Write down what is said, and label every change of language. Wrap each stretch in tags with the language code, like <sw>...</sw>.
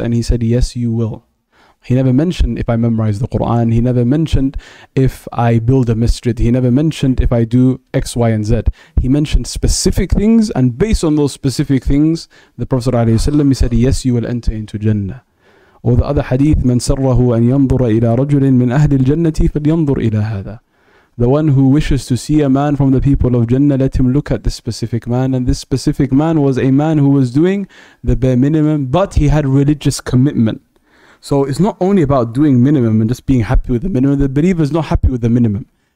<en>And he said, yes, you will. He never mentioned if I memorize the Quran, he never mentioned if I build a masjid, he never mentioned if I do X, Y, and Z. He mentioned specific things, and based on those specific things, the Prophet sallallahu alaihi wasallam, he said, yes, you will enter into Jannah. Or the other hadith,</en> <ar>من سره أن ينظر إلى رجل من أهل الجنة فلينظر إلى هذا.</ar> <en>The one who wishes to see a man from the people of Jannah, let him look at this specific man. And this specific man was a man who was doing the bare minimum, but he had religious commitment. So it's not only about doing minimum and just being happy with the minimum. The believer is not happy with the minimum.</en>